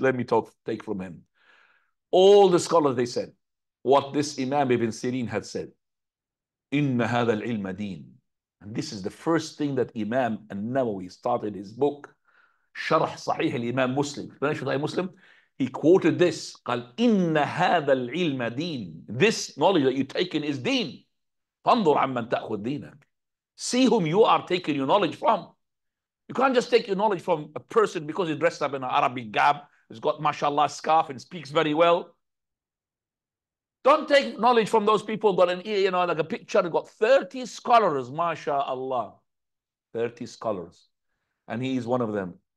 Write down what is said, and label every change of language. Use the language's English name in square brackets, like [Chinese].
[English] Let me take from him. All the scholars, they said, what this Imam Ibn Sirin had said, [Arabic] إِنَّ هَذَا الْعِلْمَ دِينَ. [English] And this is the first thing that Imam An-Nawawi started his book, Sharh Sahih al-Imam Muslim. He quoted this, [Arabic] قَالْ إِنَّ هَذَا الْعِلْمَ دِينَ. [English] This knowledge that you're taking is deen. [Arabic] فَانْظُرْ عَمَّنْ تَأْخُذْ دِينَكَ. [English] See whom you are taking your knowledge from. You can't just take your knowledge from a person because he's dressed up in an Arabic garb, he's got mashallah scarf and speaks very well. Don't take knowledge from those people who got an ear, you know, like a picture, who got 30 scholars, mashallah. 30 scholars. And he is one of them.